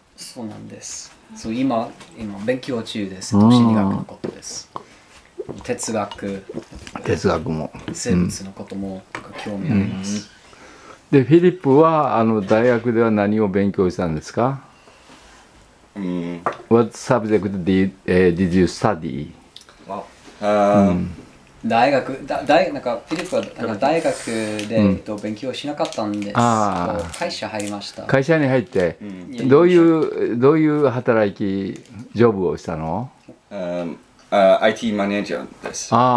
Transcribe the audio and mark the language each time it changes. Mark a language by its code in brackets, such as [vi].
[ja] そうなんです、そう、今勉強中です、心理学のことです。哲学も生物のことも、うん、とか興味あります。うん、でフィリップは、あの、大学では何を勉強したんですか？ [en] What subject did you study? [ja] フィリップはなんか大学で、勉強しなかったんです。会社入りました。会社に入って、どういう働き、ジョブをしたの？ IT マネージャーです。